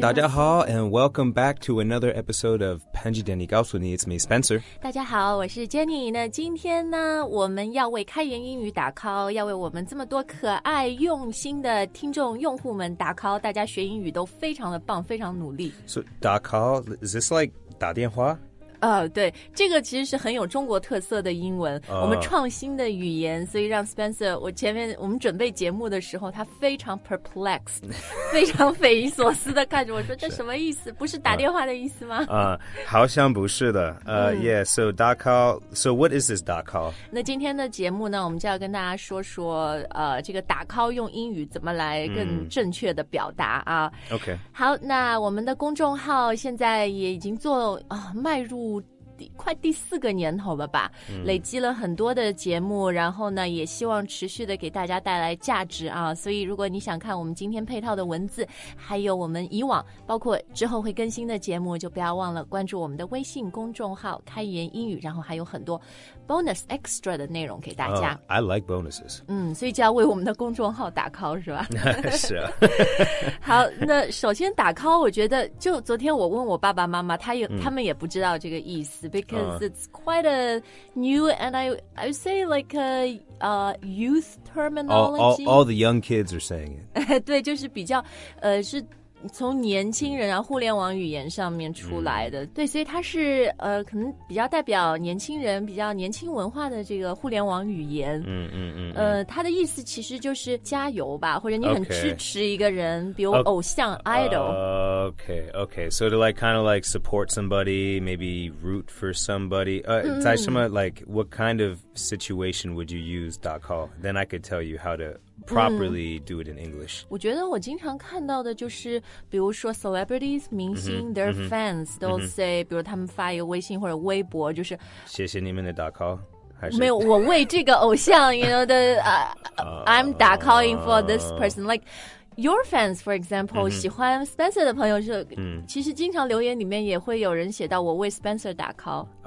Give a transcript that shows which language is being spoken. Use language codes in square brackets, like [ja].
[zh] 大家好 [en] and welcome back to another episode of 潘吉丹妮告诉你 It's me, Spencer. [zh] 大家好，我是 Jenny. 那今天呢，我们要为开源英语打 call， 要为我们这么多可爱用心的听众用户们打 call。大家学英语都非常的棒，非常努力。 [en] So 打 call is this like 打电话？ [zh] 对，这个其实是很有中国特色的英文、我们创新的语言，所以让 Spencer 我们准备节目的时候他非常 perplexed 非常匪夷所思的看着我说这什么意思，不是打电话的意思吗？好像不是的。 [en] Yeah, so dot call, so what is this dot call? [zh] 那今天的节目呢，我们就要跟大家说说这个打 call 用英语怎么来更正确的表达啊。 [en] OK, [zh] 好，那我们的公众号现在也已经做、迈入快第四个年头了吧、累积了很多的节目，然后呢也希望持续的给大家带来价值啊，所以如果你想看我们今天配套的文字还有我们以往包括之后会更新的节目，就不要忘了关注我们的微信公众号开言英语，然后还有很多 bonus extra 的内容给大家、 [en] I like bonuses. [zh] 所以就要为我们的公众号打 call 是吧？是啊。好，那首先打 call 我觉得就昨天我问我爸爸妈妈他们也不知道这个意思 [en] Because it's quite a new and I would say like a youth terminology. All the young kids are saying it. [zh] 对，就是比较，是从年轻人啊，互联网语言上面出来的。对，所以它是可能比较代表年轻人，比较年轻文化的这个互联网语言。它的意思其实就是加油吧，或者你很支持一个人， [en] okay. [zh] 比如偶像 idol。 [en] Okay. So to like kind of like support somebody, maybe root for somebody. [zh] 在什么 [en] like what kind of situation would you use dot call? Then I could tell you how to properly do it in English. [zh] 我觉得我经常看到的就是，比如说 celebrities 明星、their fans 都 say， 比如他们发一个微信或者微博，就是谢谢你们的dot call。没有，我为这个偶像 [en] ，you know the I'm dot calling for this person like。 Your fans, for example,、 [zh] 喜欢 Spencer 的朋友是、其实经常留言里面也会有人写到我为 Spencer 打 call。